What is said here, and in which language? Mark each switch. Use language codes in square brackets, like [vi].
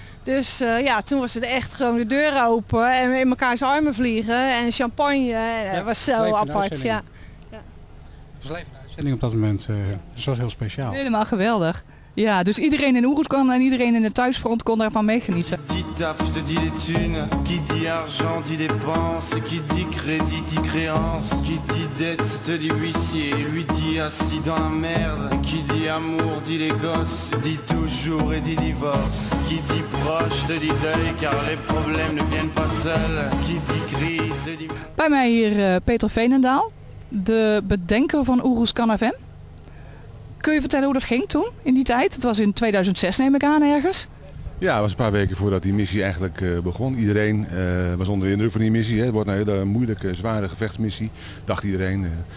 [nl] Dus ja, toen was het echt gewoon de deuren open en in elkaars armen vliegen en champagne. Ja, dat was zo apart. Ja. Het was een uitzending op dat moment. Dus dat was heel speciaal. Helemaal geweldig. Ja, dus iedereen in Oeroeskan en iedereen in het thuisfront kon daarvan meegenieten. [fr] Qui dit taf, te dit les thunes. Qui dit argent, dit dépense. Qui dit crédit, dit créance. Qui dit dette, te dit huissier. Lui dit assis dans la merde. Qui dit amour, dit les gosses. Dit toujours et dit divorce. Qui dit proche, te dit deuil. Car les problèmes ne viennent pas seuls. Qui dit crise, te dit... [nl] Bij mij hier Peter Veenendaal, de bedenker van Oeroeskan FM. Kun je vertellen hoe dat ging toen, in die tijd? Het was in 2006, neem ik aan, ergens. Ja, het was een paar weken voordat die missie eigenlijk begon. Iedereen was onder de indruk van die missie. Hè. Het wordt een hele moeilijke, zware gevechtsmissie, dacht iedereen.